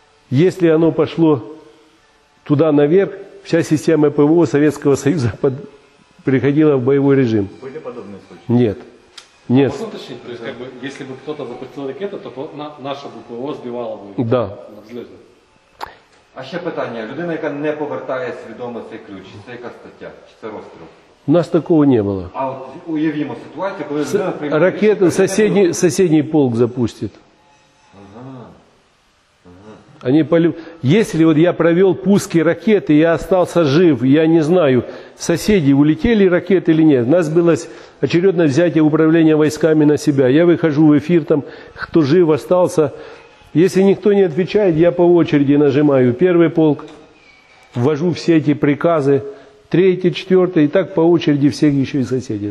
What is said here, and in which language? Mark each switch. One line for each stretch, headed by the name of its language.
Russian: Если оно пошло туда наверх, вся система ПВО Советского Союза приходила в боевой режим. Были подобные случаи? Нет. Нет. Можно уточнить, то есть, как бы, если бы кто-то запустил ракету, то наше ПВО сбивало бы. Да.
Ukrainian: А ще питання. Людина, яка не повертає свідомо цей ключ, чи це яка стаття, чи це розстріл? У нас такого не було. А от уявімо ситуацію, коли людина приймає... Ракету сусідній полк запустить. Ага.
Russian: Они если вот я провел пуски ракеты, я остался жив, я не знаю, соседи улетели ракеты или нет. У нас было очередное взятие управления войсками на себя. Я выхожу в эфир, там кто жив остался. Если никто не отвечает, я по очереди нажимаю первый полк, ввожу все эти приказы, третий, четвертый, и так по очереди всех еще и соседей.